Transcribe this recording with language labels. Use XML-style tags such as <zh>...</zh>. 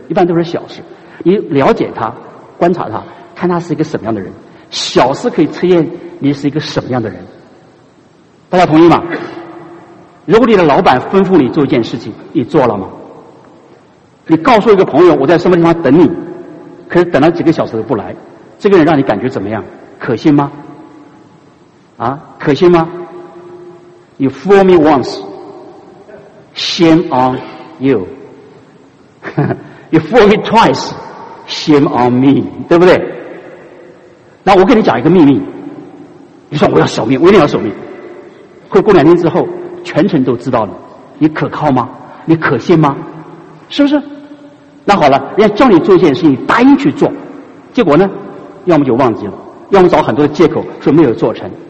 <zh>一般都是小事，你了解他，观察他，看他是一个什么样的人，小事可以测验你是一个什么样的人。大家同意吗？如果你的老板吩咐你做一件事情，你做了吗？你告诉一个朋友我在什么地方等你，可是等了几个小时都不来，这个人让你感觉怎么样？可信吗？啊，可信吗？</zh> <en>You fool me once, shame on you. You fool me twice, shame on me.</en> <zh>对不对？那我跟你讲一个秘密，你说我要守命，我一定要守命，会过两天之后全程都知道了，你可靠吗？你可信吗？是不是？那好了，人家叫你做一件事情，答应去做，结果呢要么就忘记了，要么找很多的借口说没有做成。</zh>